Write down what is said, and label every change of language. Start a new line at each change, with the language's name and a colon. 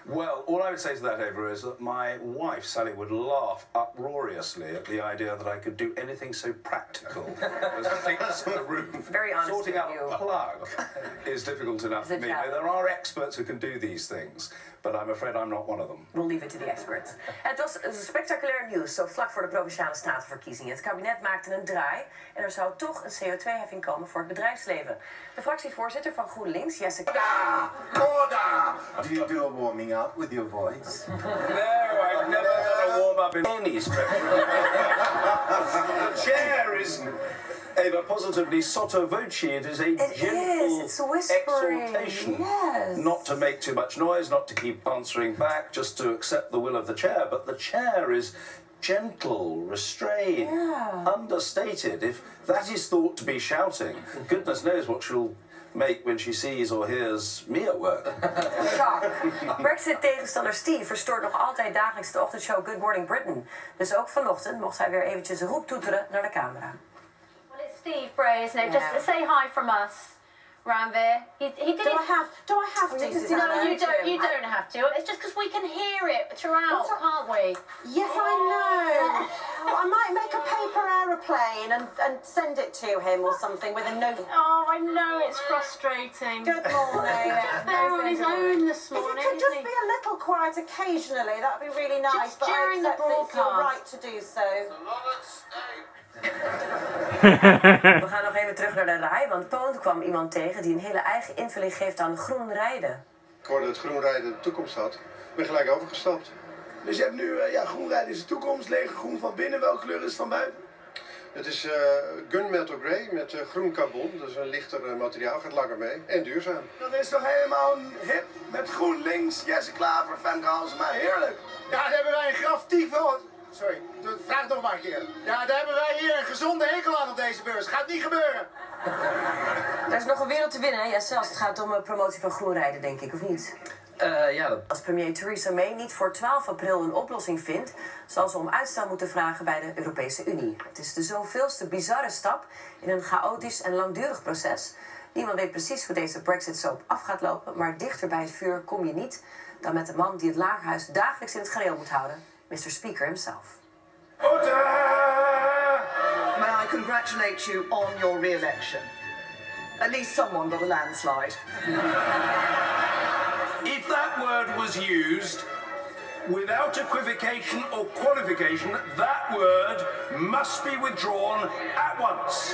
English: Well, all I would say to that, Ava, is that my wife, Sally, would laugh uproariously at the idea that I could do anything so practical as fix the roof. Very honest with you. Sorting out a plug is difficult enough for me. Now, there are experts who can do these things, but I'm afraid I'm not one of them. We'll leave it to the experts.
Dutch: Het was spectaculair nieuws, zo vlak voor de Provinciale Statenverkiezingen. Het kabinet maakte een draai en er zou toch een CO2-heffing komen voor het bedrijfsleven. De fractievoorzitter van GroenLinks, Jesse... Da! Corda!
English: Do you do a warming up with your voice? No, I've never had a warm-up in any structure. The chair is... Ava, positively, sotto voce, it is a it's a whispering exhortation. Yes. Not to make too much noise, not to keep answering back, just to accept the will of the chair. But the chair is gentle, restrained, yeah. understated. If that is thought to be shouting, goodness knows what she'll make when she sees or hears me at work. Shock.
Dutch: Brexit-tegenstander Steve verstoort nog altijd dagelijks de ochtendshow Good Morning Britain. Dus ook vanochtend mocht hij weer eventjes roep toeteren naar de camera.
English: Steve Bray, isn't it? Yeah. Just say hi from us. around there. Do I have to? No, you don't have to. It's just because we can hear it throughout, can't we? Yes, I know. I might make a paper aeroplane and send it to him or something with a note. Oh, I know, it's frustrating. Good morning. He's just there on his own this morning. If he could just be a little quiet occasionally, that would be really nice. Just during the broadcast. But I accept it's your right to do so.
Dutch: We gaan nog even terug naar de rij, want Poon kwam iemand tegen die een hele eigen invulling geeft aan groen rijden. Ik hoorde dat groen rijden de toekomst had. Ik ben gelijk overgestapt. Dus je hebt nu, groen rijden is de toekomst, lege groen van binnen. Welke kleur is het van buiten? Het is gunmetal grey met groen carbon. Dat is een lichter materiaal, gaat langer mee en duurzaam. Dat is toch helemaal hip met groen links, Jesse Klaver, Femke Halsema, heerlijk. Ja, daar hebben wij een graf tyfus voor. Sorry, vraag het nog maar een keer. Ja, daar hebben wij hier een gezonde hekel aan op deze beurs. Gaat niet gebeuren. Er is nog een wereld te winnen, ja, zelfs het gaat om een promotie van groenrijden, denk ik, of niet? Als premier Theresa May niet voor 12 april een oplossing vindt, zal ze om uitstel moeten vragen bij de Europese Unie. Het is de zoveelste bizarre stap in een chaotisch en langdurig proces. Niemand weet precies hoe deze Brexit zo af gaat lopen, maar dichter bij het vuur kom je niet dan met de man die het Lagerhuis dagelijks in het gareel moet houden, Mr.
English: Speaker himself. May I congratulate you on your re-election? At least someone got a landslide. If that word was used without equivocation or qualification, that word must be withdrawn at once.